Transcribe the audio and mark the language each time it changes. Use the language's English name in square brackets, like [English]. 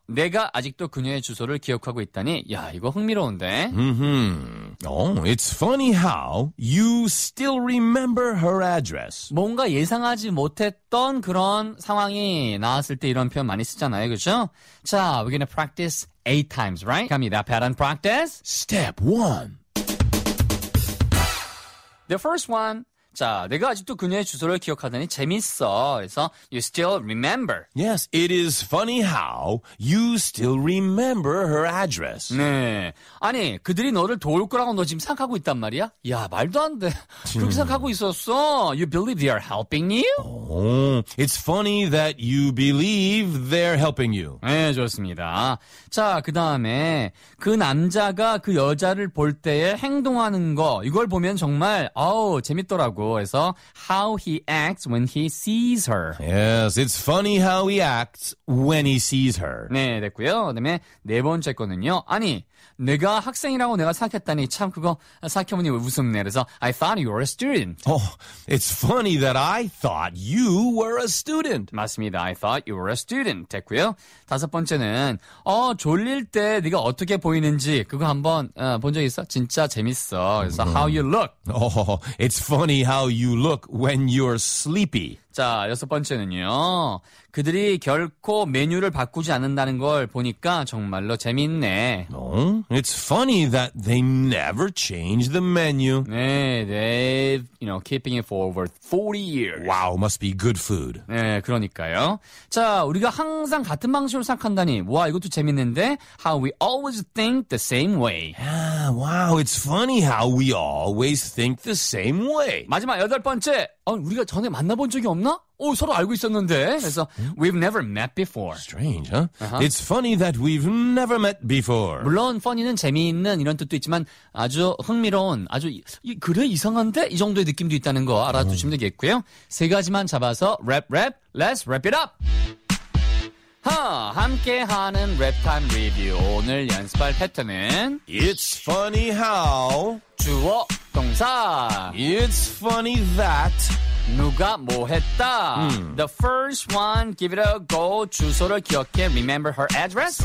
[Korean] 내가 아직도 그녀의 주소를 기억하고 있다니. 야, 이거 흥미로운데. [English] Oh, it's funny how you still remember her address. [Korean] 뭔가 예상하지 못했던 그런 상황이 나왔을 때 이런 표현 많이 쓰잖아요. 그렇죠? [English] 자, we're gonna practice 8 times, right? [Korean] 갑니다. [English] Pattern practice. Step 1. The first one. [Korean] 자, 내가 아직도 그녀의 주소를 기억하다니 재밌어. [English] 그래서 you still remember. Yes, it is funny how you still remember her address. [Korean] 네. 아니, 그들이 너를 도울 거라고 너 지금 생각하고 있단 말이야? 야, 말도 안 돼. 그렇게 생각하고 있었어. [English] You believe they are helping you? Oh, it's funny that you believe they're helping you. [Korean] 네, 좋습니다. 자, 그 다음에 그 남자가 그 여자를 볼 때에 행동하는 거 이걸 보면 정말 어우, 재밌더라. [English] 그래서 how he acts when he sees her. Yes, it's funny how he acts when he sees her. [Korean] 네, 됐고요. 그다음에 네 번째 거는요. 아니, 내가 학생이라고 내가 생각했다니 참 그거 생각해보니 웃음네. [English] 그래서 I thought you were a student. Oh, it's funny that I thought you were a student. [Korean] 맞습니다. [English] I thought you were a student. [Korean] 됐고요. 다섯 번째는 졸릴 때 네가 어떻게 보이는지 그거 한번 본 적 있어? 진짜 재밌어. [English] 그래서 how you look. Oh, it's funny how you look when you're sleepy. [Korean] 자, 여섯 번째는요. 그들이 결코 메뉴를 바꾸지 않는다는 걸 보니까 정말로 재밌네. [English] Oh, it's funny that they never change the menu. 네, they've, you know, keeping it for over 40 years. Wow, must be good food. [Korean] 네, 그러니까요. 자, 우리가 항상 같은 방식으로 생각한다니. 와, 이것도 재밌는데. [English] How we always think the same way. Yeah, wow, it's funny how we always think the same way. [Korean] 마지막 여덟 번째. 우리가 전에 만나본 적이 없나? 서로 알고 있었는데. [English] 그래서 we've never met before. Strange, huh? Uh-huh. It's funny that we've never met before. [Korean] 물론 funny는 재미있는 이런 뜻도 있지만 아주 흥미로운, 아주 그래 이상한데? 이 정도의 느낌도 있다는 거 알아두시면 되겠고요. 세 가지만 잡아서 랩, [English] let's wrap it up! [Korean] 함께하는 랩타임 리뷰. 오늘 연습할 패턴은 [English] It's funny how [Korean] 주어 동사 [English] It's funny that [Korean] 누가 뭐 했다 [English] The first one give it a go [Korean] 주소를 기억해 [English] remember her address